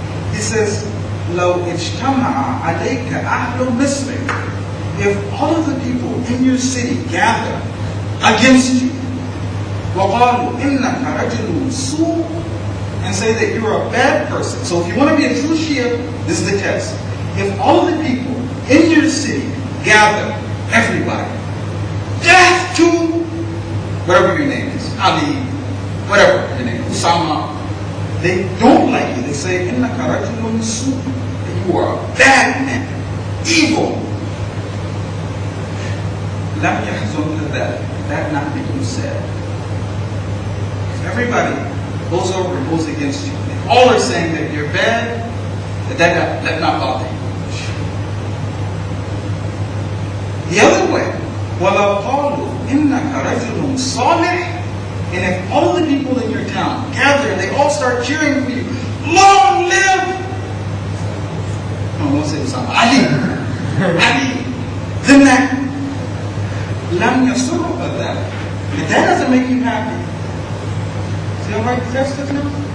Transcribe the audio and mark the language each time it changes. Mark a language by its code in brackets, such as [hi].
[en] He says, [ar] لو اجتمع عليك أهل مصر. [en] If all of the people in your city gather against you, [ar] وقالوا إنك رجل سوء, [en] and say that you're a bad person. So if you want to be a true Shia, this is the test. If all of the people in your city gather, everybody, death to whatever your name is, Ali, whatever your name, Usama, they don't like you. They say [ar] إنك رجل سوء. [en] You are a bad man, evil. [ar] لَمْ يَحْزُنْكَ ذَلِكَ. [en] That not be you sad. If everybody goes over and goes against you, if all are saying that you're bad, that not bother you. The other way, [ar] وَلَوْ قَالُوا إِنَّكَ رَجُلٌ صَالِحٌ. [en] And if all the people in your town gather and they all start cheering for you, long live! I'm going to say Usama. Ali! Ali! The man! [ar] لَمْ يَسُرُّكَ ذَلِكَ. [en] But that doesn't make you happy. See how right the test is now?